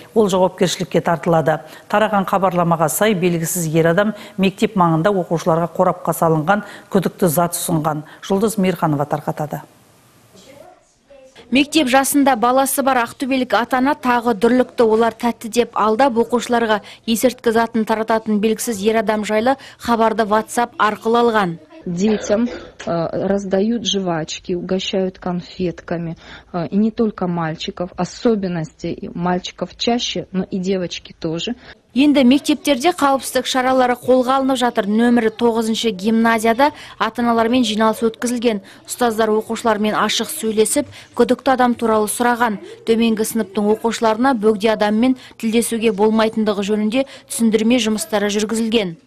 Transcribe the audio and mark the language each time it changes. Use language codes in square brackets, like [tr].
[kk] Ол жауапкершілікке тартылады. Тараған хабарламаға сай белгісіз ер адам мектеп маңында оқушыларға қорапқа салынған күдікті зат ұсынған. Жұлдыз Мейірханова тарқатады. Мектеп жасында баласы бар ақтөбелік атана тағы дүрлікті олар тәтті деп алдап оқушыларға есірткі затын тарататын белгісіз ер адам жайлы хабарды WhatsApp арқылы алған. [ru] Детям раздают жвачки, угощают конфетками. И не только мальчиков, особенности мальчиков чаще, но и девочки тоже. [kk] Енді мектептерде қауіпсіздік шаралары қолға алынып жатыр. Нөмірі 9-ші гимназияда ата-аналармен жиналыс өткізілген. Ұстаздар оқушылармен ашық сөйлесіп, күдікті адам туралы сұраған. Төменгі сыныптың оқушыларына бөгде адаммен тілдесуге болмайтындығы жөнінде түсіндірме жұмыстары жүргізілген.